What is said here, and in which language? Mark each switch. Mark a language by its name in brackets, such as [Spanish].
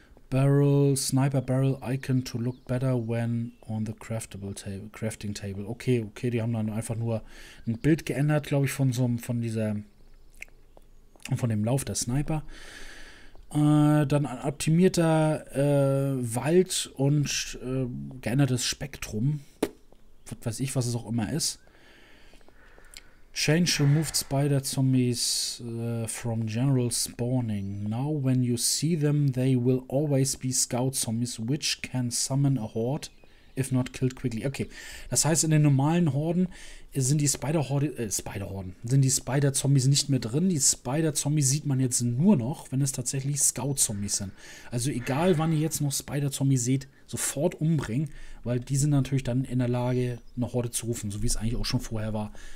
[English] Barrel, Sniper Barrel Icon to look better when on the crafting table. [German] Okay, die haben dann einfach nur ein Bild geändert, glaube ich, von dem Lauf der Sniper. Dann ein optimierter Wald und geändertes Spektrum. Was weiß ich, was es auch immer ist. [English] Change removed spider zombies from general spawning. Now when you see them, they will always be scout zombies, which can summon a horde if not killed quickly. Okay. [German] Das heißt, in den normalen Horden sind die Spider-Horde, Spider-Horden, sind die Spider-Zombies nicht mehr drin. Die Spider-Zombies sieht man jetzt nur noch, wenn es tatsächlich Scout-Zombies sind. Also egal, wann ihr jetzt noch Spider-Zombies seht, sofort umbringen, weil die sind natürlich dann in der Lage, eine Horde zu rufen, so wie es eigentlich auch schon vorher war.